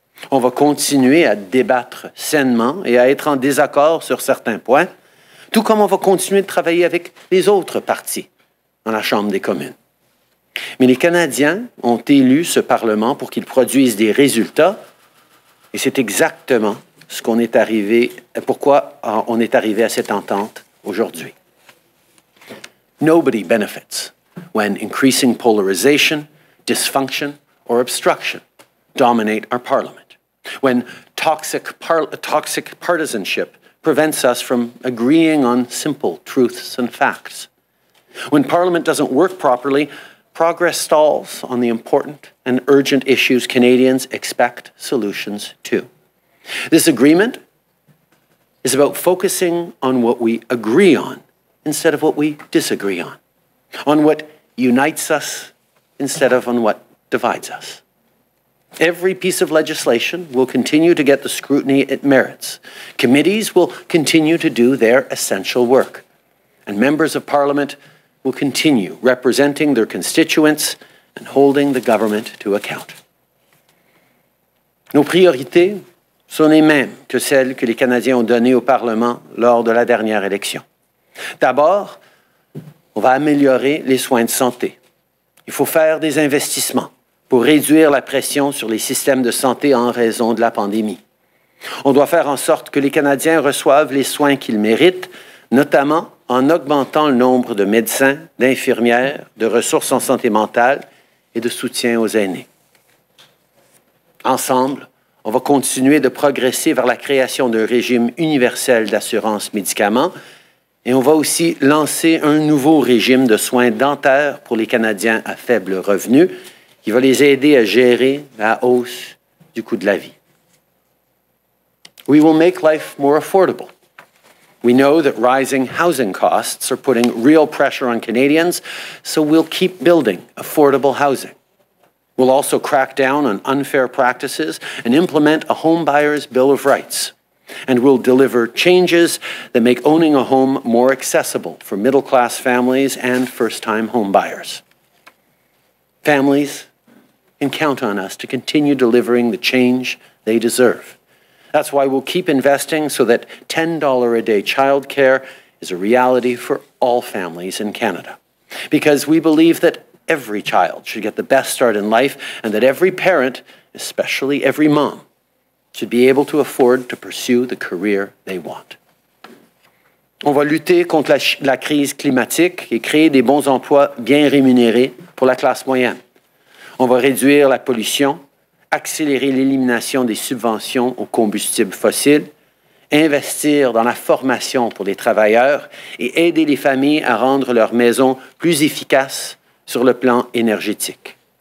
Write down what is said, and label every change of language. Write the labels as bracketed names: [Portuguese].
[French] On va continuer à débattre sainement et à être en désaccord sur certains points, tout comme on va continuer de travailler avec les autres partis dans la Chambre des communes. Mais les Canadiens ont élu ce Parlement pour qu'il produise des résultats, et c'est exactement ce qu'on est arrivé, pourquoi on est arrivé à cette entente aujourd'hui. [English] Nobody benefits when increasing polarization, dysfunction, or obstruction dominate our Parliament, when toxic partisanship prevents us from agreeing on simple truths and facts, when Parliament doesn't work properly, progress stalls on the important and urgent issues Canadians expect solutions to. This agreement is about focusing on what we agree on instead of what we disagree on what unites us instead of on what divides us. Every piece of legislation will continue to get the scrutiny it merits. Committees will continue to do their essential work, and members of Parliament will continue representing their constituents and holding the government to account. [French] Nos priorités sont les mêmes que celles que les Canadiens ont données au Parlement lors de la dernière élection. D'abord, on va améliorer les soins de santé. Il faut faire des investissements pour réduire la pression sur les systèmes de santé en raison de la pandémie. On doit faire en sorte que les Canadiens reçoivent les soins qu'ils méritent, notamment en augmentant le nombre de médecins, d'infirmières, de ressources en santé mentale et de soutien aux aînés. Ensemble, on va continuer de progresser vers la création d'un régime universel d'assurance médicaments et on va aussi lancer un nouveau régime de soins dentaires pour les Canadiens à faible revenu qui va les aider à gérer la hausse du coût de la vie. [English] We will make life more affordable. We know that rising housing costs are putting real pressure on Canadians, so we'll keep building affordable housing. We'll also crack down on unfair practices and implement a home buyer's bill of rights. And we'll deliver changes that make owning a home more accessible for middle-class families and first-time home buyers. Families can count on us to continue delivering the change they deserve. That's why we'll keep investing so that $10 a day childcare is a reality for all families in Canada. Because we believe that every child should get the best start in life and that every parent, especially every mom, should be able to afford to pursue the career they want. [French] On va lutter contre la crise climatique et créer des bons emplois bien rémunérés pour la classe moyenne. On va réduire la pollution, accélérer l'élimination des subventions aux combustibles fossiles, investir dans la formation pour les travailleurs et aider les familles à rendre leur maison plus efficace sur le plan énergétique.